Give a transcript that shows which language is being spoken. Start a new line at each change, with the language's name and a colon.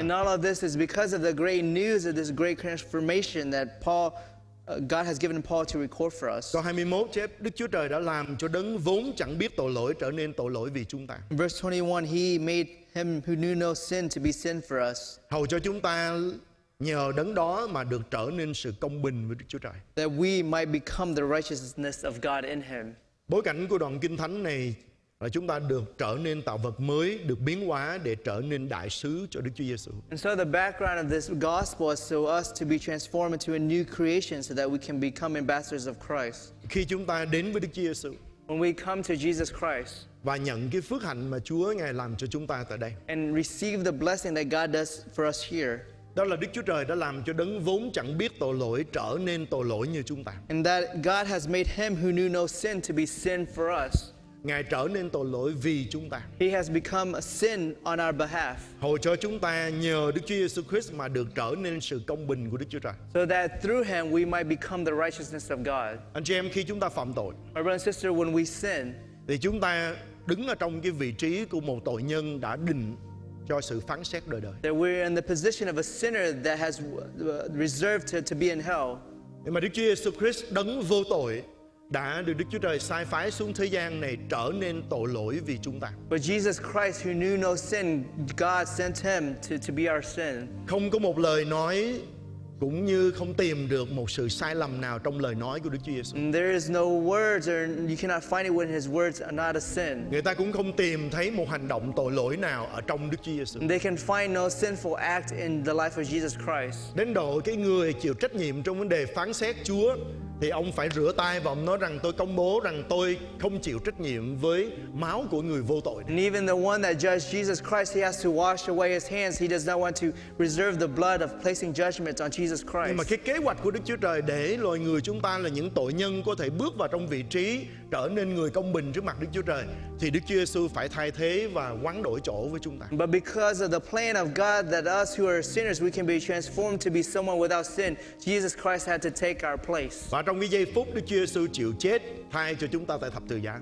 English: And all of this is because of the great news of this great transformation that Paul God has given Paul to record for us.
Vietnamese: Câu 21 chép Đức Chúa Trời đã làm cho đấng vốn chẳng biết tội lỗi trở nên tội lỗi vì chúng ta.
English: Verse 21, he made him who knew no sin to be sin for us.
Vietnamese: Hầu cho chúng ta nhờ đấng đó mà được trở nên sự công bình với Đức Chúa Trời.
English: That we might become the righteousness of God in him.
Vietnamese: Bối cảnh của đoạn kinh thánh này là chúng ta được trở nên tạo vật mới, được biến hóa để trở nên đại sứ cho Đức Chúa Giêsu.
English: And so the background of this gospel is so us to be transformed into a new creation so that we can become ambassadors of Christ.
Vietnamese: Khi chúng ta đến với Đức Chúa Giêsu,
English: when we come to Jesus Christ,
Vietnamese: và nhận cái phước hạnh mà Chúa Ngài làm cho chúng ta tại đây,
English: and receive the blessing that God does for us here,
Vietnamese: đó là Đức Chúa Trời đã làm cho đấng vốn chẳng biết tội lỗi trở nên tội lỗi như chúng ta.
English: And that God has made him who knew no sin to be sin for us.
Vietnamese: Ngài trở nên tội lỗi vì chúng ta.
English: He has become a sin on our behalf.
Vietnamese: Hầu cho chúng ta nhờ Đức Chúa Giêsu Christ mà được trở nên sự công bình của Đức Chúa Trời.
English: So that through him we might become the righteousness of God.
Vietnamese: Anh chị em, khi chúng ta phạm tội,
English: my brother and sister, when we sin,
Vietnamese: thì chúng ta đứng ở trong cái vị trí của một tội nhân đã định cho sự phán xét đời đời.
English: That we're in the position of a sinner that has reserved to be in hell.
Vietnamese: Nhưng mà Đức Chúa Giêsu Christ, đấng vô tội, đã được Đức Chúa Trời sai phái xuống thế gian này trở nên tội lỗi vì chúng ta.
English: But Jesus Christ, who knew no sin, God sent him to be our sin.
Vietnamese: Không có một lời nói cũng như không tìm được một sự sai lầm nào trong lời nói của Đức Chúa Giêsu.
English: There is no words, or you cannot find it when his words are not a sin.
Vietnamese: Người ta cũng không tìm thấy một hành động tội lỗi nào ở trong Đức Chúa Giêsu.
English: They can find no sinful act in the life of Jesus Christ.
Vietnamese: Đến độ cái người chịu trách nhiệm trong vấn đề phán xét Chúa, thì ông phải rửa tay và ông nói rằng tôi công bố rằng tôi không chịu trách nhiệm với máu của người vô tội.
English: And even the one that judged Jesus Christ, he has to wash away his hands. He does not want to reserve the blood of placing judgment on Jesus Christ.
Vietnamese: Nhưng mà cái kế hoạch của Đức Chúa Trời để loài người chúng ta là những tội nhân có thể bước vào trong vị trí trở nên người công bình trước mặt Đức Chúa Trời, thì Đức Chúa Giêsu phải thay thế và quán đổi chỗ với chúng ta.
English: But because of the plan of God that us who are sinners we can be transformed to be someone without sin, Jesus Christ had to take our place.
Vietnamese: Trong cái giây phút Đức Chúa Giêsu chịu chết thay cho chúng ta tại thập tự giá.